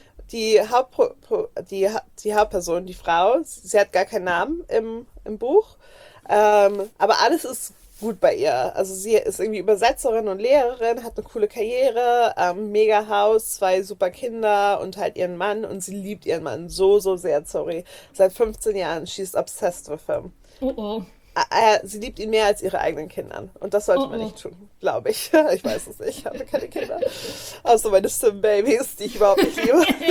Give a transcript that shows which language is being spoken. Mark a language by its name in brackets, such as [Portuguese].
[German] die Hauptperson, die Frau, sie hat gar keinen Namen im Buch. Aber alles ist gut bei ihr. Also sie ist irgendwie Übersetzerin und Lehrerin, hat eine coole Karriere, Mega-Haus, 2 super Kinder und halt ihren Mann. Und sie liebt ihren Mann so, so sehr, sorry. Seit 15 Jahren, [English] she is obsessed with him. Oh [German] Sie liebt ihn mehr als ihre eigenen Kinder. Und das sollte man nicht oh. tun, glaube ich. Ich weiß es nicht, ich habe keine Kinder. Außer meine Sim-Babys, die ich überhaupt nicht liebe.